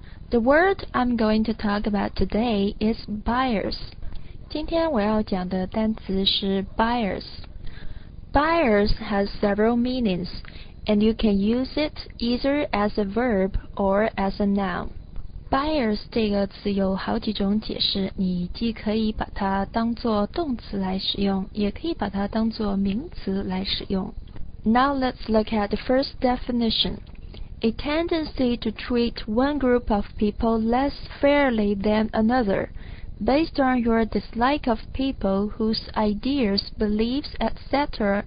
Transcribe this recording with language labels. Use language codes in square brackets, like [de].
[en] The word I'm going to talk about today is bias. [zh] 今天我要讲的单词是 bias. [en] Bias has several meanings, and you can use it either as a verb or as a noun. [zh] Bias 这个词有好几种解释，你既可以把它当作动词来使用，也可以把它当作名词来使用。 [en] Now let's look at the first definition. A tendency to treat one group of people less fairly than another, based on your dislike of people whose ideas, beliefs, etc.